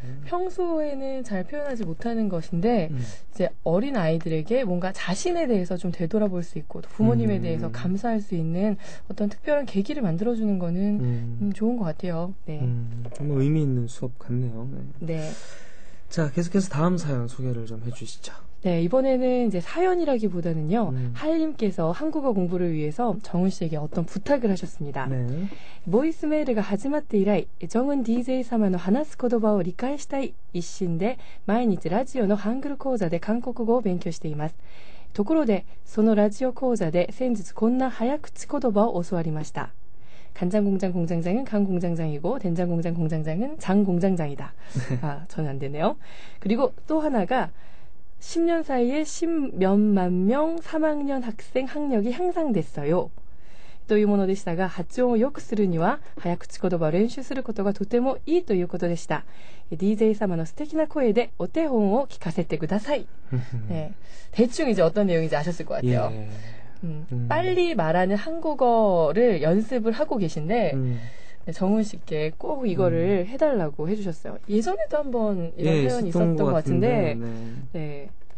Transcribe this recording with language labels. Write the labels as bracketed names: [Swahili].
[Korean] 평소에는 잘 표현하지 못하는 것인데, 이제 어린 아이들에게 뭔가 자신에 대해서 좀 되돌아볼 수 있고, 또 부모님에 대해서 감사할 수 있는 어떤 특별한 계기를 만들어주는 거는 좋은 것 같아요. 네. 정말 의미 있는 수업 같네요. 네. 네. 자, 계속해서 다음 사연 소개를 좀 해주시죠. 네, 이번에는 이제 사연이라기보다는요, 하예님께서 한국어 공부를 위해서 정은 씨에게 어떤 부탁을 하셨습니다. [Japanese] 모이스메일가 하지마때 이라이 정은 DJ様の 話す言葉を 理解したい一心で 毎日ラジオの ハングル講座で 韓国語を 勉強しています。ところで、 そのラジオ講座で 先日こんな 早口言葉を 教わりました。 [Korean] 간장공장 공장장은 간 공장장이고 된장공장 공장장은 장 공장장이다. 아, 전혀 안 되네요. 그리고 또 하나가 10년 사이에 십몇만 명 3학년 학생 학력이 향상됐어요. [Japanese] というものでしたが, 発音をよくするには 早口言葉を練習することがとてもいいということでした。 DJ様の素敵な声で お手本を聞かせてください。 [Korean] 네, 대충 이제 어떤 내용인지 아셨을 것 같아요. 빨리 말하는 한국어를 연습을 하고 계신데, 정훈 씨께 꼭 이거를 해달라고 해주셨어요. 예전에도 한번 이런 예, 표현이 있었던 것 것 같은데, 같은데, 네.